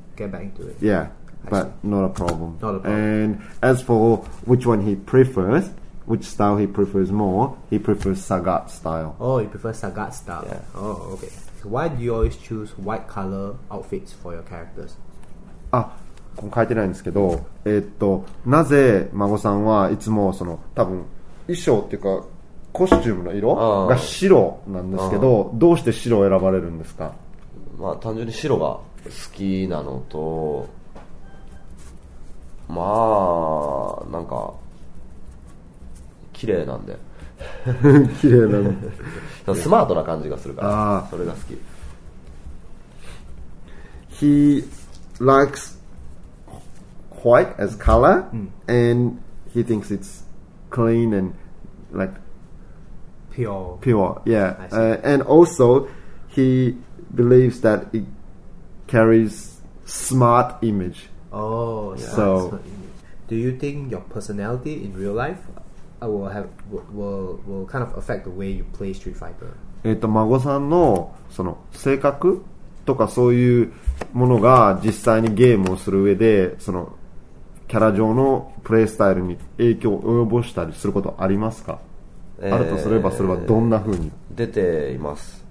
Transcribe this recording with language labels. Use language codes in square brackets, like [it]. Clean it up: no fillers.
[en] get back into it. Yeah. But not a problem. Not a problem. And as for which one he prefers, which style he prefers more, he prefers Sagat style. Oh, he prefers Sagat style. Yeah. Oh, okay. So why do you always choose white color outfits for your characters? [ja] Ah, ここ書いてないんですけど、なぜ孫さんはいつもその多分衣装っていうかコスチュームの色が白なんですけど、どうして白を選ばれるんですか？まあ単純に白が好きなのと。まあなんか綺麗なんで綺麗なんでスマートな感じがするからあそれが好き [en] He likes white as color、 mm. and he thinks it's clean and like pure yeah、and also he believes that it carries smart image oh yeah. so Do you think your personality in real life will kind of affect the way you play Street Fighter? [ja] 孫さん の, その性格とかそういうものが実際にゲームをする上でそのキャラ上のプレイスタイルに影響を及ぼしたりすることありますか、あるとすればそれはどんな風に、出ています、